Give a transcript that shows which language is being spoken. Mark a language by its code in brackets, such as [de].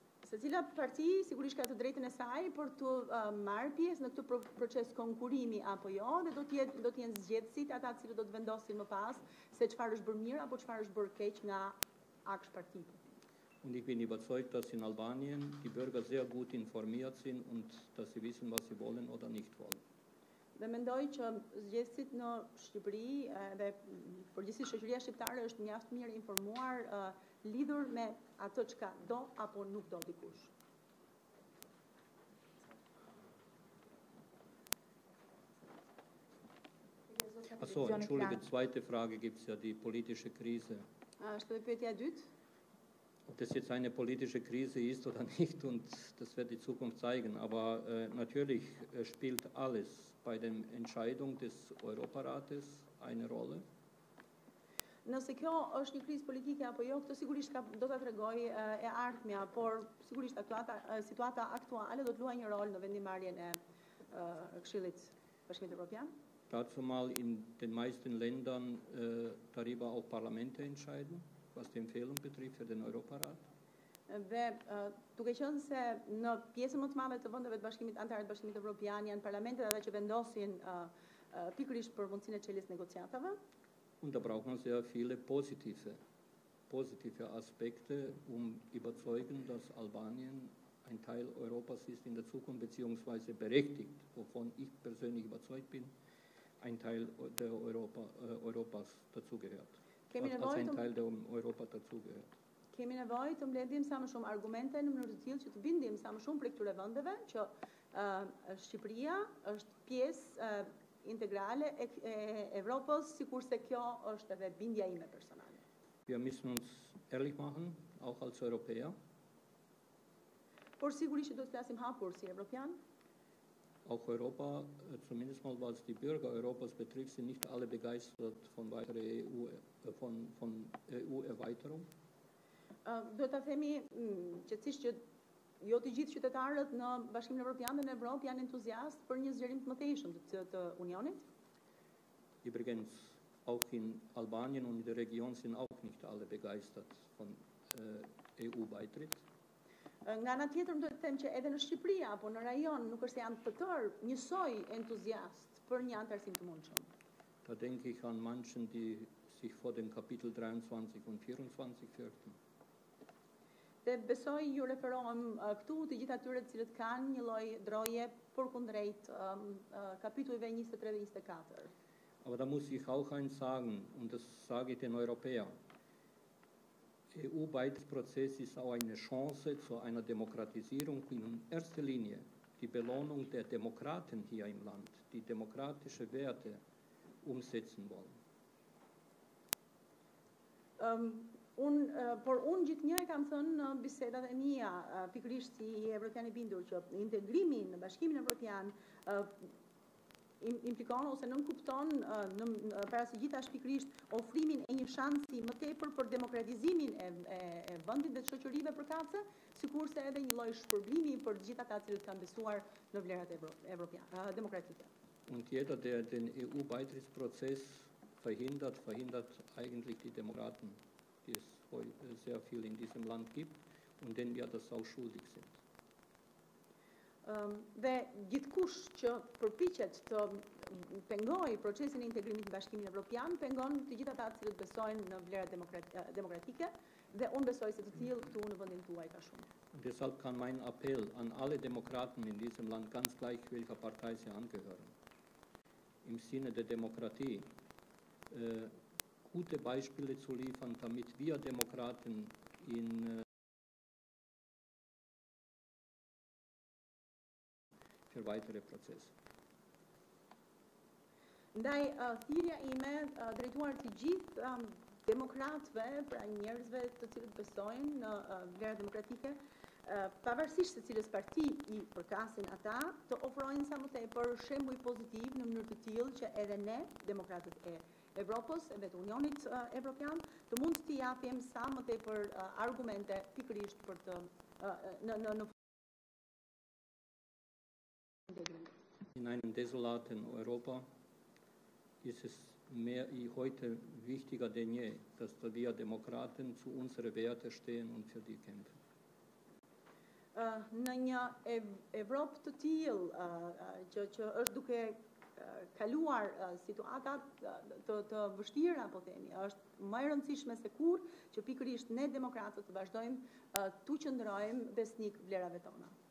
[sq] Se cila parti sigurisht ka të drejtën e saj për të marrë pjesë në këtë proces konkurimi apo jo, dhe do të jenë zgjedhësit ata cilët do të vendosin më pas se çfarë është bërë mirë apo çfarë është bërë keq nga aksh partitë. [de] Und ich bin überzeugt, dass in Albanien die Bürger sehr gut informiert sind und dass sie wissen, was sie wollen oder nicht wollen. [sq] Dhe mendoj që zgjedhësit në Shqipëri dhe përgjithësisht shoqëria shqiptare është mjaft mirë informuar lidhur me ato çka do apo nuk do dikush. [de] Achso, entschuldige, zweite Frage gibt es ja, die politische Krise. [sq] Shtë dhe pyetja dytë? [de] Ob das jetzt eine politische Krise ist oder nicht, und das wird die Zukunft zeigen. Aber natürlich spielt alles bei der Entscheidung des Europarates eine Rolle. [sq] Nëse kjo është një krizë politike apo jo, këtë sigurisht do të tregoj e ardhmja, por sigurisht situata aktuale do të luajë një rol në vendimarrjen e Këshillit Bashkimit Evropian. [de] Dazu mal in den meisten Ländern darüber auch Parlamente entscheiden, was die Empfehlung betrifft für den Europarat. [sq] dhe duke qenë se në pjesën më të madhe të vendeve të bashkimit anëtarë të bashkimit evropian janë parlamentet ata që vendosin pikërisht për mundësinë e çelës negociatave. [de] Und da brauchen sehr viele positive Aspekte, überzeugen, dass Albanien ein Teil Europas ist in der Zukunft, beziehungsweise berechtigt, wovon ich persönlich überzeugt bin, ein Teil der Europas dazugehört. Als ein Teil der Europa dazugehört. [sq] Kemi nevojë të mbledhim sa më shumë argumente në mënyrë të tillë që të bindim sa më shumë për këtyre vendeve që Shqipëria është pjesë integrale e Evropës, sikurse kjo është edhe bindja ime personale. [de] Wir müssen uns ehrlich machen, auch als Europäer. [sq] Por sigurisht që do të flasim hapur si Evropian. [de] Auch Europa, zumindest mal was die Bürger Europas betrifft, sind nicht alle begeistert von weiterer EU, von EU-Erweiterung. [sq] Do ta themi qetësisht që jo të gjithë qytetarët në Bashkimin Evropian dhe në Evropë janë entuziast për një zgjerim të mëtejshëm të Unionit. [de] Übrigens, auch in Albanien und in der Region sind auch nicht alle begeistert von EU-Beitritt. [sq] Nga ana tjetër duhet të them që edhe në Shqipëri apo në rajon nuk është se janë të tërë njësoj entuziast për një antarësim të mundshëm. [de] Da denke ich an manchen, die sich vor dem Kapitel 23 und 24 fürchten. [sq] Dhe besoj ju referohem këtu të gjithë atyre të cilët kanë një lloj droje përkundrejt kapitujve 23 dhe 24. [de] Aber da muss ich auch eins sagen, und das sage ich den Europäern. EU-Beitrittsprozess ist auch eine Chance zu einer Demokratisierung in erster Linie. Die Belohnung der Demokraten hier im Land, die demokratische Werte umsetzen wollen. [sq] Unë gjithnjë e kam thënë në bisedat e mia, pikërisht si evropian i bindur, që integrimi në bashkimin evropian implikon ose nënkupton para së gjithash pikërisht ofrimin e një shansi më tepër për demokratizimin e vendit dhe të shoqërive përkatëse, sikurse edhe një lloj shpërblimi për të gjithat ata që kanë besuar në vlerat evropiane demokratike. [de] Und jeder, der den EU-Beitrittsprozess verhindert, verhindert eigentlich die Demokraten, die es sehr viel in diesem Land gibt und denen wir das auch schuldig sind. [sq] Dhe gjithkush që përpiqet të pengoj procesin e integrimit në bashkimin evropian, pengon të gjithë ata që besojnë në vlerat demokratike dhe unë besoj se të tillë këtu në vendin tuaj ka shumë. [de] Deshalb kann mein Appell an alle Demokraten in diesem Land, ganz gleich welcher Partei sie angehören, im Sinne der Demokratie, gute Beispiele zu liefern, damit wir Demokraten in für weitere Prozesse. [sq] Ndaj thirrja ime drejtuar të gjithë demokratëve, pra njerëzve të cilët besojnë në vlerat demokratike, pavarësisht se cilës parti i përkasin ata, të ofrojnë sa më tepër shembuj pozitiv në mënyrë të tillë që edhe ne, demokratët e Evropës, edhe të Unionit Evropian, të mund të japim sa më tepër argumente pikërisht për të në [de] In einem desolaten Europa ist es mehr heute wichtiger denn je, dass wir Demokraten zu unseren Werten stehen und für die kämpfen. [sq] Në një Evropë të tillë, që është duke kaluar situata të vështira, po themi, është më e rëndësishme se kur që pikërisht ne demokratët të vazhdojmë të qëndrojmë besnik vlerave tona.